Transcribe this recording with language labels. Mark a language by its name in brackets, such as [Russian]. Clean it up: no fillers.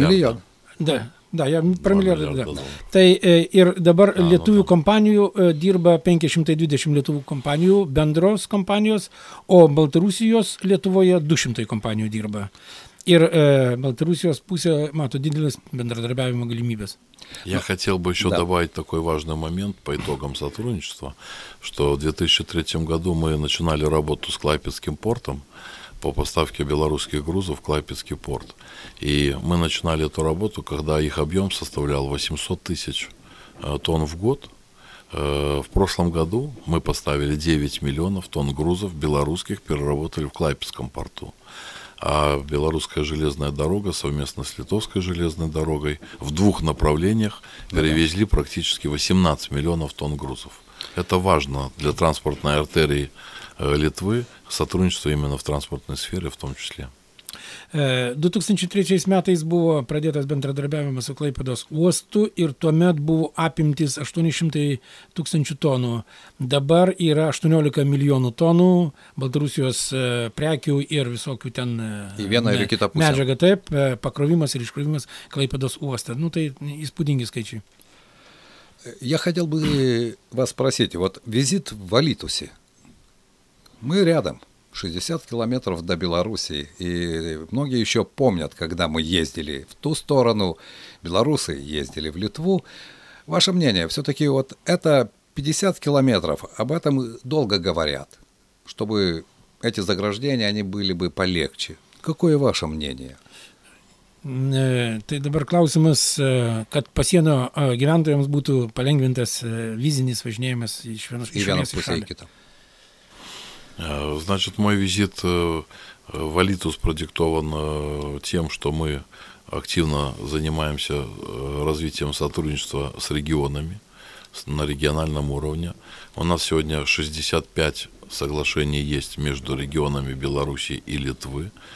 [Lithuanian] Milijonų. Tai ir dabar lietuvių kompanijų dirba 520 lietuvių kompanijų, bendros kompanijos, o Baltarusijos Lietuvoje 200 kompanijų dirba. Ir Baltarusijos pusė mato didelis bendradarbiavimo galimybės. [Russian] Я хотел бы еще добавить такой важный момент по итогам сотрудничества, что в 2003 году мы начинали работу с Клайпецким портом по поставке белорусских грузов в Клайпецкий порт. И мы начинали эту работу, когда их объем составлял 800 тысяч тонн в год. В прошлом году мы поставили 9 миллионов тонн грузов белорусских, переработали в Клайпецком порту. А белорусская железная дорога совместно с литовской железной дорогой в двух направлениях перевезли практически 18 миллионов тонн грузов. Это важно для транспортной артерии Литвы, сотрудничество именно в транспортной сфере в том числе. [Lithuanian] 2003 metais buvo pradėtas bendradarbiavimas su Klaipėdos uostu ir tuomet buvo apimtis 800 tūkstančių tonų. Dabar yra 18 milijonų tonų Baltarusijos prekių ir visokių ten medžiagą, taip, pakrovimas ir iškrovimas Klaipėdos uoste. Nu, tai įspūdingi skaičiai. [Russian] Я хотел бы вас спросить, вот визит в Алитусе. Мы рядом. 60 километров до Белоруссии, и многие еще помнят, когда мы ездили в ту сторону, белорусы ездили в Литву. Ваше мнение, все-таки вот это 50 километров, об этом долго говорят, чтобы эти заграждения, они были бы полегче. Какое ваше мнение? [Lithuanian] Tai dabar klausimas, kad pasienio gyventojams būtų palengvintas vizinis važinėjimas iš vienos pusės į kitą. [Russian] Значит, мой визит Валитус продиктован тем, что мы активно занимаемся развитием сотрудничества с регионами на региональном уровне. У нас сегодня 65 соглашений есть между регионами Беларуси и Литвы.